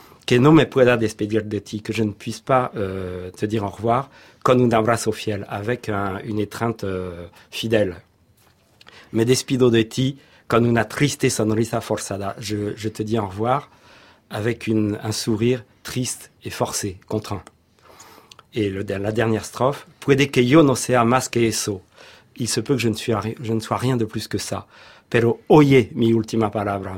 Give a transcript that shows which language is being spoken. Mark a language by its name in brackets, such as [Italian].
[Spanish] Que no me pueda despedir de ti, [French] que je ne puisse pas te dire au revoir, [Spanish] con un abrazo fiel, [French] avec une étreinte fidèle. [Spanish] Me despido de ti, con una triste sonrisa forzada. [French] Je te dis au revoir avec un sourire triste et forcé, contraint. Et la dernière strophe, [Spanish] puede que yo no sea más que eso. [French] Il se peut que je ne sois rien de plus que ça. [Spanish] Pero oye mi última palabra.